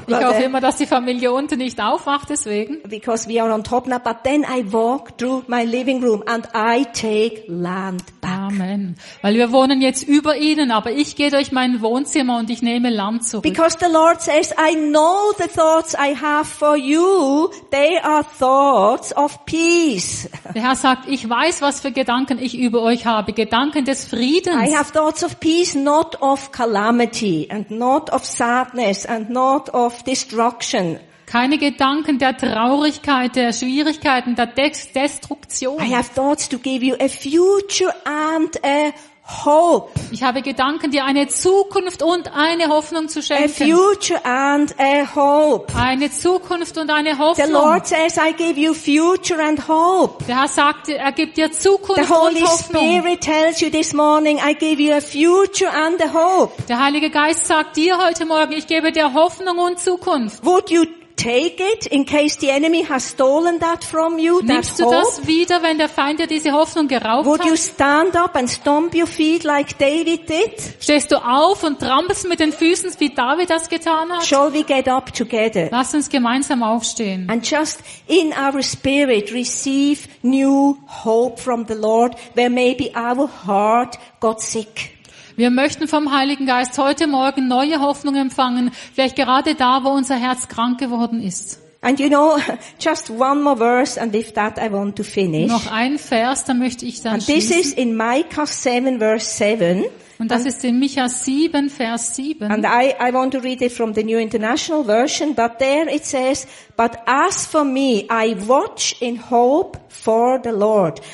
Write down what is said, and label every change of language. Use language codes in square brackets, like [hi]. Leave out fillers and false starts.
[de] Ich hoffe immer, dass die Familie unten nicht aufwacht deswegen. [en] Because we are on top now, but then I walk through my living room and I take land back. Amen. [de] Weil wir wohnen jetzt über ihnen, aber ich gehe durch mein Wohnzimmer und ich nehme Land zurück. [en] Because the Lord says, I know the thoughts I have for you. They are thoughts of peace. [de] Der Herr sagt, ich weiß, was für Gedanken ich über euch habe. Gedanken des Friedens. [en] I have thoughts of peace, not of calamity, and not of sadness, and not of destruction. [de] Keine Gedanken der Traurigkeit, der Schwierigkeiten, der Destruktion. [en] I have thoughts to give you a future and a hope. [de] Ich habe Gedanken, dir eine Zukunft und eine Hoffnung zu schenken. [en] A future and a hope. [de] Eine Zukunft und eine Hoffnung. [en] The Lord says, I give you future and hope. [de] Der Herr sagt, er gibt dir Zukunft und Hoffnung. [en] The Holy Spirit tells you this morning, I give you a future and a hope. [de] Der Heilige Geist sagt dir heute Morgen, ich gebe dir Hoffnung und Zukunft. [en] Would you take it in case the enemy has stolen that from you? [de] Nimmst du das wieder, wenn der Feind dir diese Hoffnung geraubt hat? [en] Would you stand up and stomp your feet like David did? [de] Stehst du auf und trampelst mit den Füßen, wie David das getan hat? [en] Shall we get up together? [de] Lass uns gemeinsam aufstehen. [en] And just in our spirit receive new hope from the Lord, where maybe our heart got sick. [de] Wir möchten vom Heiligen Geist heute Morgen neue Hoffnung empfangen, vielleicht gerade da, wo unser Herz krank geworden ist. [en] And you know, just one more verse, and with that I want to finish. [de] Noch ein Vers, dann möchte ich dann schließen. [en] This is in Micah 7, verse 7. [de] Und das ist in Micha 7, Vers 7. [en] And I want to read it from the New International Version, but there it says, but as for me, I watch in hope for the Lord.